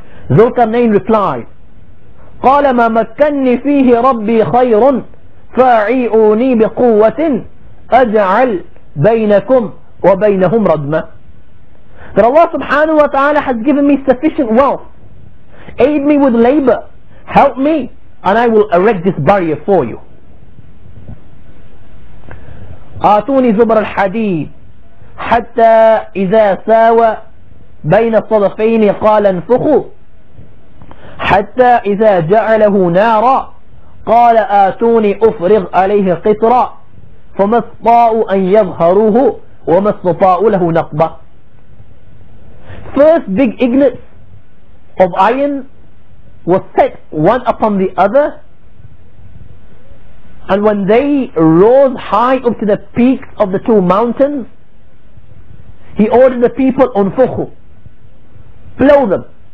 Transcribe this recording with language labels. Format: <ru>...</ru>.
<en>Dhulqarnain replied,</en> <ar>قَالَ مَا مَكَّنِّي فِيهِ رَبِّي خَيْرٌ فَأَعِيُونِي بِقُوَّةٍ أَجْعَلْ بَيْنَكُمْ وَبَيْنَهُمْ رَدْمًا.</ar> <en>That Allah subhanahu wa ta'ala has given me sufficient wealth. Aid me with labor. Help me, and I will erect this barrier for you.</en> <ar>آتوني زبر الحديد حتى إذا ساوى بين الصدفين قال انفخوا حتى إذا جعله نارا قال آتوني أفرغ عليه قطرا فما استطاعوا أن يظهروه وما استطاعوا له نقبا.</ar> <en>First big ignits of iron was set one upon the other, and when they rose high up to the peaks of the two mountains, he ordered the people, unfukhu, blow them.</en>